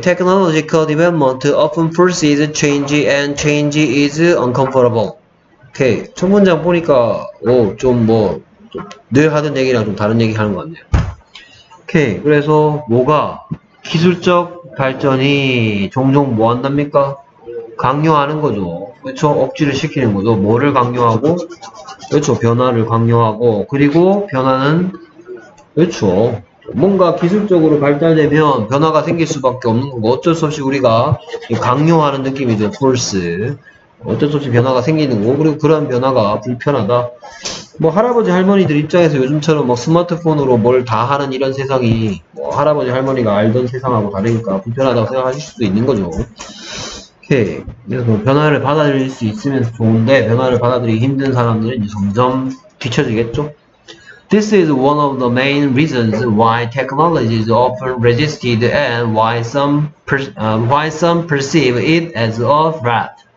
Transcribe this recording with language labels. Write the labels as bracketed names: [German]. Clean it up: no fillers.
[English] Technological development often forces change and change is uncomfortable. Okay. [Korean] 첫 문장 보니까, 오, 좀 뭐, 좀늘 하던 얘기랑 좀 다른 얘기 하는 것 같네요. [English] Okay. [Korean] 그래서 뭐가 기술적 발전이 종종 뭐 한답니까? 강요하는 거죠. 그렇죠? 억지를 시키는 거죠. 뭐를 강요하고? 그렇죠. 변화를 강요하고. 그리고 변화는? 그렇죠. 뭔가 기술적으로 발달되면 변화가 생길 수밖에 없는 거고 어쩔 수 없이 우리가 강요하는 느낌이죠. [English] force. [Korean] 어쩔 수 없이 변화가 생기는 거고 그리고 그런 변화가 불편하다. 뭐 할아버지 할머니들 입장에서 요즘처럼 뭐 스마트폰으로 뭘다 하는 이런 세상이 뭐 할아버지 할머니가 알던 세상하고 다르니까 불편하다고 생각하실 수도 있는 거죠. 오케이. 그래서 뭐 변화를 받아들일 수 있으면 좋은데 변화를 받아들이기 힘든 사람들은 이제 점점 뒤처지겠죠. [English] This is one of the main reasons why technology is often resisted and why some perceive it as a threat.